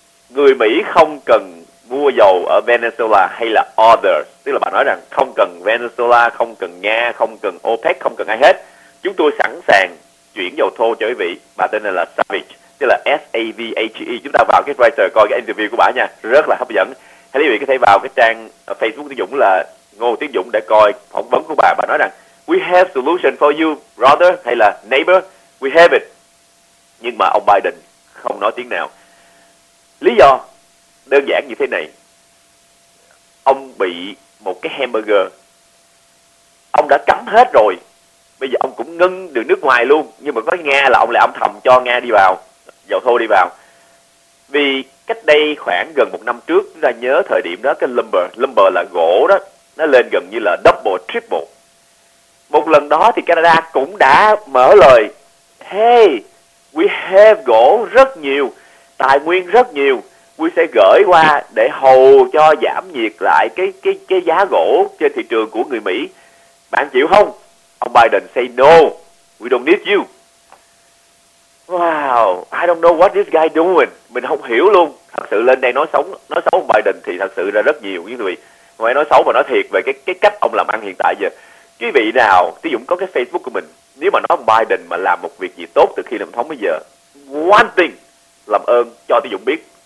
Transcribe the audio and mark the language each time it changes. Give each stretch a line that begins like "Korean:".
Vietnamese: Người Mỹ không cần mua dầu ở Venezuela hay là
English: others,
Vietnamese: tức là bà nói rằng không cần Venezuela, không cần Nga, không cần OPEC, không cần ai hết. Chúng tôi sẵn sàng chuyển dầu thô cho quý vị. Bà tên là Savage, tức là S-A-V-A-G-E. Chúng ta vào cái writer coi cái interview của bà nha, rất là hấp dẫn. Hãy quý vị có thể vào cái trang Facebook Tiến Dũng là Ngô Tiến Dũng để coi phỏng vấn của bà. Bà nói rằng
English: we have solution for you, brother,
Vietnamese: hay là
English: neighbor, we have it.
Vietnamese: Nhưng mà ông Biden không nói tiếng nào. Lý do đơn giản như thế này: ông bị một cái hamburger, ông đã cấm hết rồi, bây giờ ông cũng ngưng đường nước ngoài luôn, nhưng mà với Nga là ông lại âm thầm cho Nga đi vào, dầu thô đi vào. Vì cách đây khoảng gần một năm trước, chúng ta nhớ thời điểm đó cái lumber là gỗ đó, nó lên gần như là
English: double, triple.
Vietnamese: Một lần đó thì Canada cũng đã mở lời,
English: hey, we have
Vietnamese: gỗ rất nhiều, tài nguyên rất nhiều, we sẽ gửi qua để hầu cho giảm nhiệt lại cái giá gỗ trên thị trường của người Mỹ. Bạn chịu không?
English: Ông Biden say no, we don't need you. Wow, I don't know what this guy doing.
Vietnamese: Mình không hiểu luôn. Thật sự lên đây nói xấu ông Biden thì thật sự ra rất nhiều, quý vị. Ngoài nói xấu mà nói thiệt về cái cách ông làm ăn hiện tại giờ. Quý vị nào, Tí Dũng có cái Facebook của mình, nếu mà nói ông Biden mà làm một việc gì tốt từ khi làm thống bây giờ,
English: one thing,
Vietnamese: làm ơn cho Tí Dũng biết.